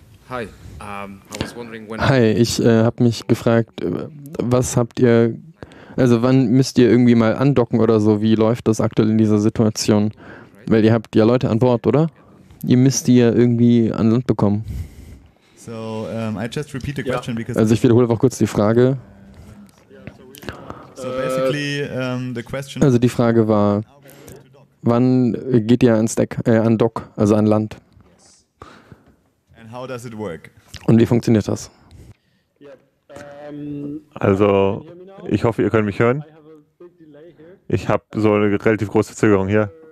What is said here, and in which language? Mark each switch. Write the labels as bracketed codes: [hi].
[en] Hi, I was wondering when. [de] Hi, ich habe mich gefragt, was habt ihr, also wann müsst ihr irgendwie mal andocken oder so? Wie läuft das aktuell in dieser Situation? Weil ihr habt ja Leute an Bord, oder? Ihr müsst die ja irgendwie an Land bekommen. [en] So, I just repeat the question because. [de] Also ich wiederhole auch kurz die Frage. [en] So basically, the question. [de] Also die Frage war. Wann geht ihr ans Deck, an Dock, also an Land? [en] And how does it work? [de] Und wie funktioniert das? Also, ich hoffe, ihr könnt mich hören. Ich habe so eine relativ große Verzögerung hier.